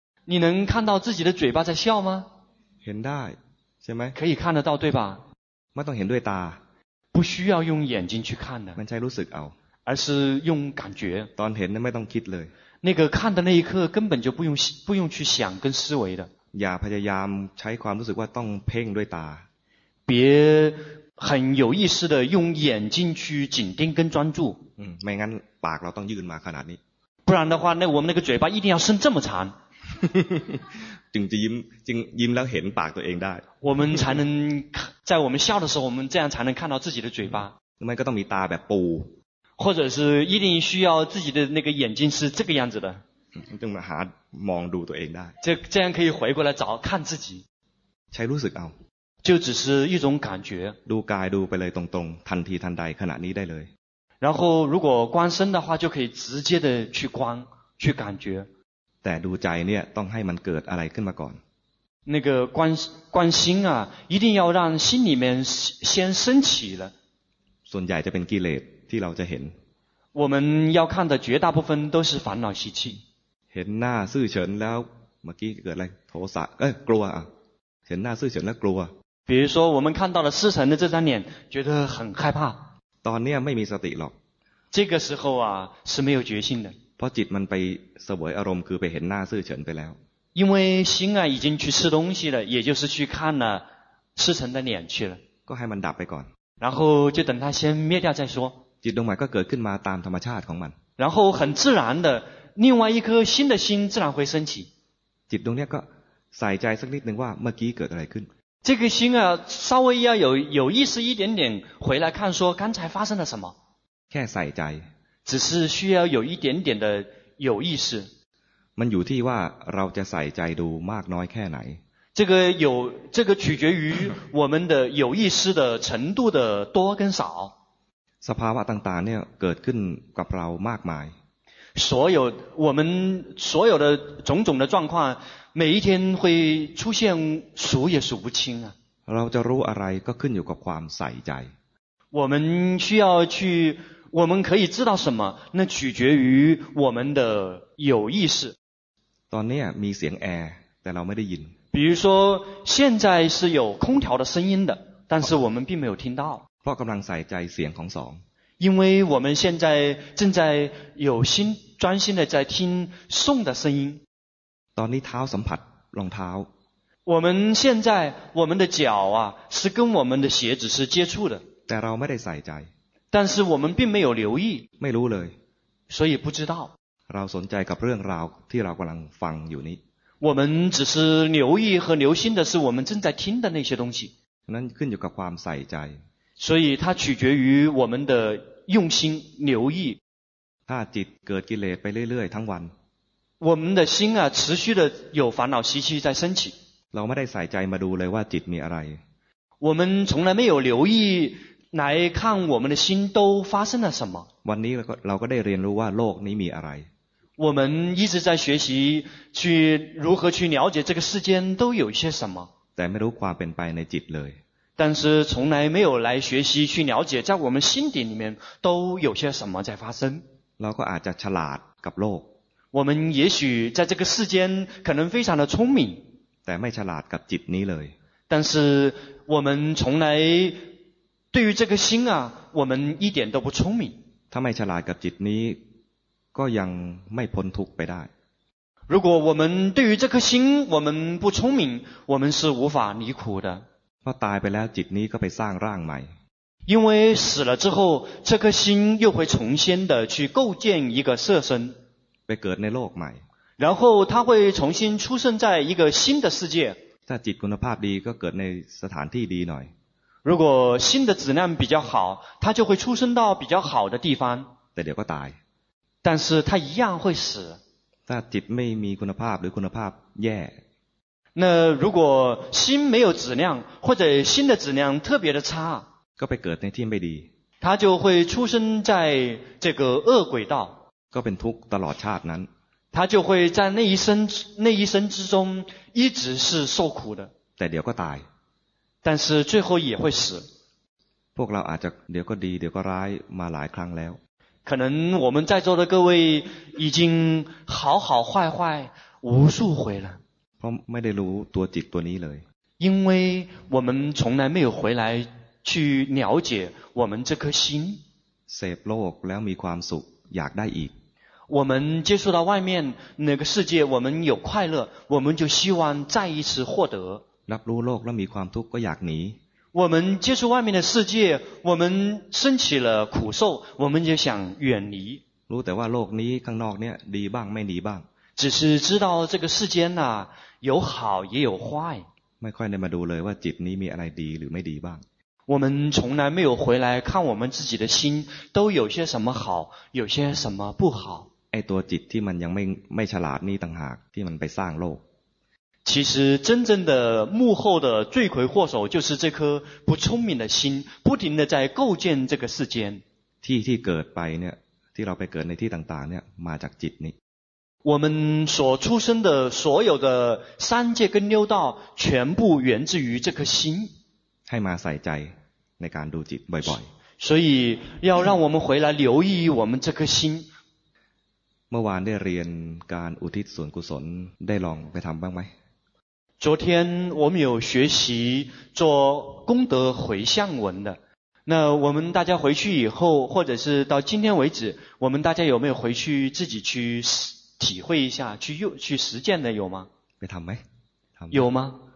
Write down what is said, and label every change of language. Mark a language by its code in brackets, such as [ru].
[zh] 你能看到自己的嘴巴在笑吗 [th] เห็นได้ใช่ไหม [zh] 可以看得到对吧 [th] ไม่ต้องเห็นด้วยตา [zh] 不需要用眼睛去看的 [th] มันใช้รู้สึกเอา [zh] 而是用感觉 [th] ตอนเห็นไม่ต้องคิดเลย [zh] 那个看的那一刻根本就不用去想跟思维的 [th] อย่าพยายามใช้ความรู้สึกว่าต้องเพ่งด้วยตา [zh] 别很有意识的用眼睛去紧盯跟专注 [th] ไม่งั้นปากเราต้องยืนมาขนาดนี้ [zh] 不然的话那我们那个嘴巴一定要伸这么长 [th] จึงจะยิ้มจึงยิ้มแล้วเห็นปากตัวเองได้ [zh] 我们才能在我们笑的时候我们这样才能看到自己的嘴巴 [th] ไม่ก็ต้องมีตาแบบปู [zh] 或者是一定需要自己的那个眼睛是这个样子的 [th] จึงมาหามองดูตัวเองได้ [zh] 这样可以回过来找看自己 [th] ใช้รู้สึกเอา [zh] 就只是一种感觉 [th] ดูกายดูไปเลยตรงๆทันทีทันใดขณะนี้ได้เลย [zh] 然后如果观身的话就可以直接的去观去感觉 [th] แต่ดูใจเนี่ยต้องให้มันเกิดอะไรขึ้นมาก่อน [zh] 那个观心啊一定要让心里面先升起了 [th] ส่วนใหญ่จะเป็นกิเลสที่เราจะเห็น [zh] 我们要看的绝大部分都是烦恼习气 [th] เห็นหน้าซื่อเฉินแล้วเมื่อกี้เกิดอะไรโทสะเอ้ยกลัวอ่ะเห็นหน้าซื่อเฉินแล้วกลัว [zh] 比如说我们看到了四成的这张脸觉得很害怕 [th] ตอนเนี้ยไม่มีสติหรอก [zh] 这个时候啊是没有决心的 [th] เพราะจิตมันไปเสวยอารมณ์คือไปเห็นหน้าซื่อเฉินไปแล้ว [zh] 因为心啊已经去吃东西了也就是去看了赤诚的脸去了 [th] ก็ให้มันดับไปก่อน [zh] 然后就等它先灭掉再说 [th] จิตดวงใหม่ก็เกิดขึ้นมาตามธรรมชาติของมัน [zh] 然后很自然的另外一颗新的心自然会升起 [th] จิตดวงเนี้ยก็ใส่ใจสักนิดนึงว่าเมื่อกี้เกิดอะไรขึ้น [zh] 这个心啊稍微要有意识一点点回来看说刚才发生了什么 [th] แค่ใส่ใจ [zh] 只是需要有一点点的有意识 [th] มันอยู่ที่ว่าเราจะใส่ใจดูมากน้อยแค่ไหน [zh] 这个取决于我们的有意识的程度的多跟少 [th] สภาวะต่างๆเนี่ยเกิดขึ้นกับเรามากมาย [zh] 所有我们所有的种种的状况每一天会出现数也数不清啊 [th] เราจะรู้อะไรก็ขึ้นอยู่กับความใส่ใจ [zh] 我们需要去我们可以知道什么那取决于我们的有意识 [th] ตอนนี้มีเสียงแอร์แต่เราไม่ได้ยิน [zh] 比如说现在是有空调的声音的但是我们并没有听到 [th] เพราะกำลังใส่ใจเสียงของสอง [zh] 因为我们现在正在有心专心的在听诵的声音 [th] ตอนนี้เท้าสัมผัสรองเท้า [zh] 我们现在我们的脚啊是跟我们的鞋子是接触的 [th] แต่เราไม่ได้ใส่ใจ [zh] 但是我们并没有留意 [th] ไม่รู้เลย [zh] 所以不知道 [th] เราสนใจกับเรื่องราวที่เรากำลังฟังอยู่นี้ [zh] 我们只是留意和留心的是我们正在听的那些东西 [th] นั้นขึ้นอยู่กับความใส่ใจ [zh] 所以它取决于我们的用心留意 [th] ถ้าจิตเกิดกิเลสไปเรื่อยๆทั้งวัน [zh] 我们的心啊持续的有烦恼习气在升起 [th] เราไม่ได้ใส่ใจมาดูเลยว่าจิตมีอะไร [zh] 我们从来没有留意来看我们的心都发生了什么 [th] วันนี้เราก็ได้เรียนรู้ว่าโลกนี้มีอะไร [zh] 我们一直在学习去如何去了解这个世间都有些什么， [th] แต่ไม่รู้ความเป็นไปในจิตเลย， [zh] 但是从来没有来学习去了解在我们心底里面都有些什么在发生， [th] เราก็อาจจะฉลาดกับโลก， [zh] 我们也许在这个世间可能非常的聪明， [th] แต่ไม่ฉลาดกับจิตนี้เลย， [zh] 但是我们从来对于这个心啊我们一点都不聪明， [th] ถ้าไม่ฉลาดกับจิตนี้ก็ยังไม่พ้นทุกข์ไปได้ [zh] 如果我们对于这颗心我们不聪明我们是无法离苦的 [th] พอตายไปแล้วจิตนี้ก็ไปสร้างร่างใหม่ [zh] 因为死了之后这颗心又会重新的去构建一个色身 [th] ไปเกิดในโลกใหม่ [zh] 然后它会重新出生在一个新的世界 [th] ถ้าจิตคุณภาพดีก็เกิดในสถานที่ดีหน่อย [zh] 如果心的质量比较好它就会出生到比较好的地方 [th] แต่เดี๋ยวก็ตาย [zh] 但是他一样会死。 [th] 那จิตไม่มีคุณภาพหรือคุณภาพแย่。 [zh] 那如果心没有质量，或者心的质量特别的差， [th] ก็ไปเกิดในที่ไม่ดี。 [zh] 他就会出生在这个恶鬼道。 [th] ก็เป็นทุกข์ตลอดชาตินั้น。 [zh] 他就会在那一生之中一直是受苦的。 [th] แต่เดี๋ยวก็ตาย。 [zh] 但是最后也会死。 [th] พวกเราอาจจะเดี๋ยวก็ดีเดี๋ยวก็ร้ายมาหลายครั้งแล้ว。 [zh] 可能我们在座的各位已经好好坏坏无数回了。 [th] เพราะไม่ได้รู้ตัวจิตตัวนี้เลย。 [zh] 因为我们从来没有回来去了解我们这颗心。 [th] เสพโลกแล้วมีความสุขอยากได้อีก。 [zh] 我们接触到外面那个世界我们有快乐我们就希望再一次获得。 [th] รับรู้โลกแล้วมีความทุกข์ก็อยากหนี。 [zh] 我们接触外面的世界我们生起了苦受我们就想远离 [th] รู้แต่ว่าโลกนี้ข้างนอกเนี่ยดีบ้างไม่ดีบ้าง [zh] 只是知道这个世间啊有好也有坏 [th] ไม่ค่อยได้มาดูเลยว่าจิตนี้มีอะไรดีหรือไม่ดีบ้าง [zh] 我们从来没有回来看我们自己的心都有些什么好有些什么不好 [th] ไอ้ตัวจิตที่มันยังไม่ฉลาดนี่ต่างหากที่มันไปสร้างโลก [zh] 其实真正的幕后的罪魁祸首就是这颗不聪明的心不停地在构建这个世间 [th] ที่เกิดไปเนี่ยที่เราไปเกิดในที่ต่างๆเนี่ยมาจากจิตนี้ [zh] 我们所出生的所有的三界跟六道全部源自于这颗心 [th] ให้มาใส่ใจในการดูจิตบ่อย [zh] ๆ所以要让我们回来留意我们这颗心 [th] เมื่อวานได้เรียนการอุทิศส่วนกุศลได้ลองไปทำบ้างไหม [zh] 昨天我们有学习做功德回向文的，那我们大家回去以后，或者是到今天为止，我们大家有没有回去自己去体会一下，去实践的有吗？ [th] 没ทำไ [zh] หม？ 有吗？